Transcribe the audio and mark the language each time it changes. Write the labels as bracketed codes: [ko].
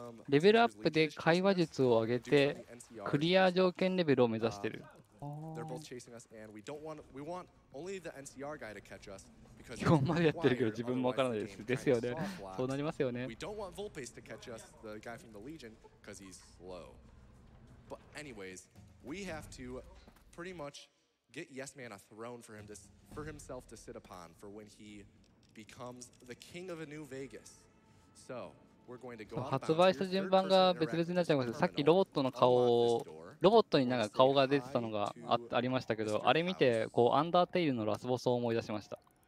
[ja] レベルアップで会話術を上げて、クリア条件レベルを目指してる。 [en] They're both chasing us, and we want only the NCR guy to catch us because he's wired. [ja] 基本までやってるけど自分もわからないです。ですよね。そうなりますよね。 [en] We don't want Volpes to catch us, the guy from the Legion, because he's slow. But anyways, we have to pretty much get Yes Man a throne for him to, for himself to sit upon for when he becomes the king of a new Vegas. So. [ja] 発売した順番が別々になっちゃいます。さっきロボットの顔を、ロボットになんか顔が出てたのが ありましたけど、あれ見て、こう、アンダーテイルのラスボスを思い出しました。